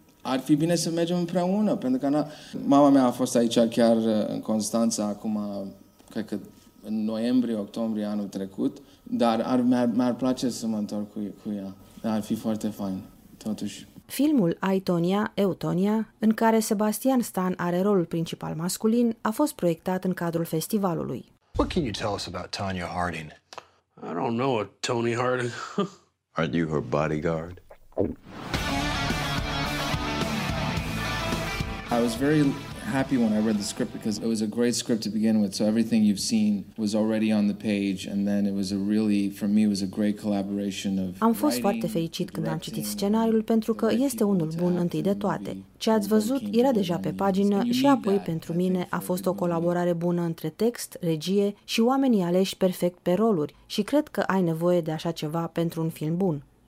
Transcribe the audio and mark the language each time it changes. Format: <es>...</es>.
<ro>Ar fi bine să mergem împreună, pentru că mama mea a fost aici chiar în Constanța acum, cred că în noiembrie, octombrie anul trecut, dar mi-ar place să mă întorc cu ea. Dar ar fi foarte fain, totuși. Filmul Aitonia, Eutonia, în care Sebastian Stan are rolul principal masculin, a fost proiectat în cadrul festivalului.</ro> <en>What can you tell us about Tonya Harding? I don't know a Tony Harding. Aren't you her bodyguard? I was very happy when I read the script because it was a great script to begin with, so everything you've seen was already on the page, and then it was a really, for me, it was a great collaboration of.</en> <ro>Am fost foarte fericit când am citit scenariul pentru că este unul bun întâi de toate. Ce ați văzut era deja pe pagină și apoi pentru mine a fost o colaborare bună între text, regie și oamenii aleși perfect pe roluri și cred că ai nevoie de așa ceva pentru un film bun.</ro>